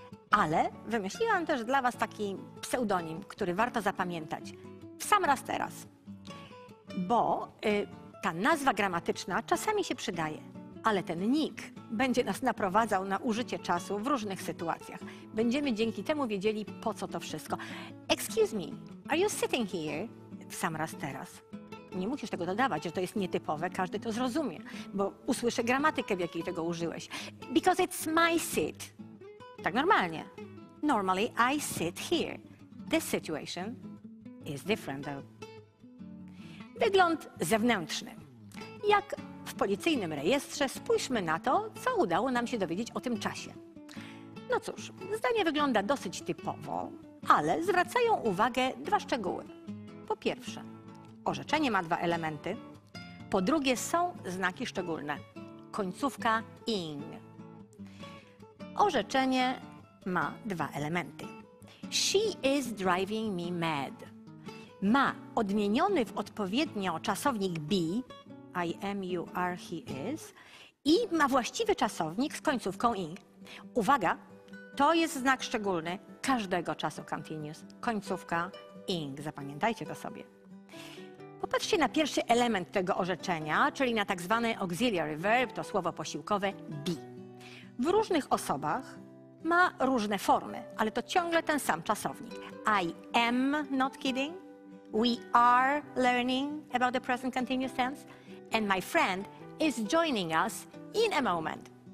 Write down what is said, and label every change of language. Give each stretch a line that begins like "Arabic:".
Polish: Ale wymyśliłam też dla Was taki pseudonim, który warto zapamiętać. W sam raz teraz. Bo ta nazwa gramatyczna czasami się przydaje, ale ten nick będzie nas naprowadzał na użycie czasu w różnych sytuacjach. Będziemy dzięki temu wiedzieli, po co to wszystko.
English: Excuse me, are you sitting here?
Polish: W sam raz teraz. Nie musisz tego dodawać, że to jest nietypowe, każdy to zrozumie, bo usłyszy gramatykę, w jakiej tego użyłeś.
English: Because it's my seat.
Polish: Tak normalnie.
English: Normally I sit here. This situation is different though.
Polish: Wygląd zewnętrzny. Jak w policyjnym rejestrze, spójrzmy na to, co udało nam się dowiedzieć o tym czasie. No cóż, zdanie wygląda dosyć typowo, ale zwracają uwagę dwa szczegóły. Po pierwsze, orzeczenie ma dwa elementy. Po drugie, są znaki szczególne. Końcówka ing. Orzeczenie ma dwa elementy.
English: She is driving me mad.
Polish: Ma odmieniony w odpowiednio czasownik be.
English: I am, you are, he is.
Polish: I ma właściwy czasownik z końcówką ing. Uwaga, to jest znak szczególny każdego czasu continuous. Końcówka ing. Zapamiętajcie to sobie. Popatrzcie na pierwszy element tego orzeczenia, czyli na tak zwany auxiliary verb, to słowo posiłkowe, be. W różnych osobach ma różne formy, ale to ciągle ten sam czasownik.
English: I am not kidding, we are learning about the present continuous tense, and my friend is joining us in a moment.